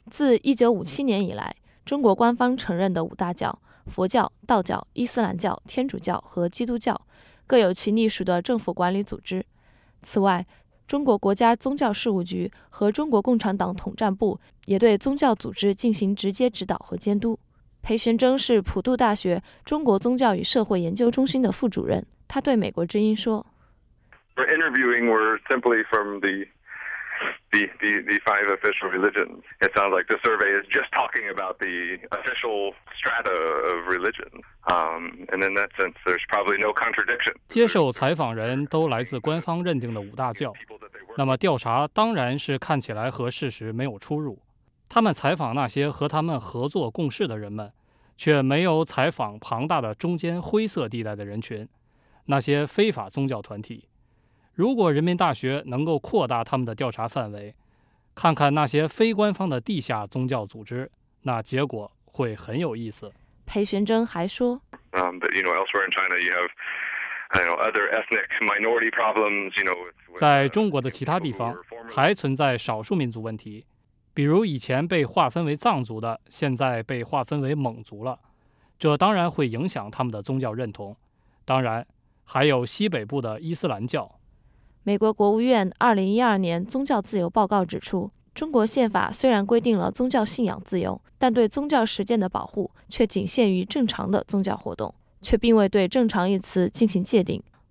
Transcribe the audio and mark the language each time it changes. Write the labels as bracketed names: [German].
[Chinese] 自1957年以来，中国官方承认的五大教，佛教、道教、伊斯兰教、天主教和基督教，各有其隶属的政府管理组织。此外，中国国家宗教事务局和中国共产党统战部也对宗教组织进行直接指导和监督。裴玄征是普渡大学中国宗教与社会研究中心的副主任，他对美国之音说 [English] We're interviewing, we're simply from the five official religions. It sounds like the survey is just talking about the official strata of religion. And in that sense, there's probably no contradiction. [Chinese] 接受采访人都来自官方认定的五大教，那么调查当然是看起来和事实没有出入。他们采访那些和他们合作共事的人们，却没有采访庞大的中间灰色地带的人群，那些非法宗教团体。如果人民大学能够扩大他们的调查范围，看看那些非官方的地下宗教组织，那结果会很有意思。裴玄征还说 [English] elsewhere in China you have other ethnic minority problems, [Chinese] 在中国的其他地方还存在少数民族问题，比如以前被划分为藏族的现在被划分为蒙族了，这当然会影响他们的宗教认同。当然还有西北部的伊斯兰教。美国国务院2012年宗教自由报告指出，中国宪法虽然规定了宗教信仰自由，但对宗教实践的保护却仅限于正常的宗教活动，却并未对正常一词进行界定。